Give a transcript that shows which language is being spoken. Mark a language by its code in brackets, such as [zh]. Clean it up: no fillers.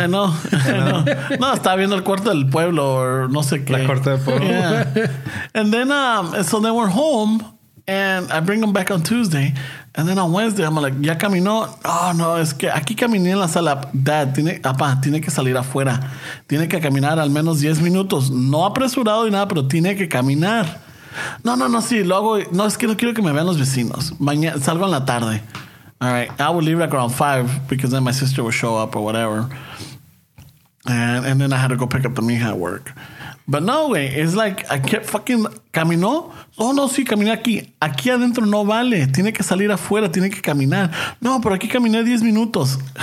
[es] No, estaba viendo el cuarto del pueblo, o no sé qué. La cuarta del pueblo. Yeah. [en] And then, so then we're home, and I bring them back on Tuesday. And then on Wednesday, I'm like, [es] ya caminó. Oh, no, es que aquí caminé en la sala. Dad, tiene que salir afuera. Tiene que caminar al menos 10 minutos. No apresurado ni nada, pero tiene que caminar. No, sí, lo hago. No, es que no quiero que me vean los vecinos. Mañana, salgo en la tarde. [en] All right, I will leave like around 5, because then my sister will show up or whatever. And then I had to go pick up the mija at work. But no, güey, it's like, I kept fucking, [es] caminó, oh no, sí, caminé aquí, aquí adentro no vale, tiene que salir afuera, tiene que caminar, no, pero aquí caminé 10 minutos.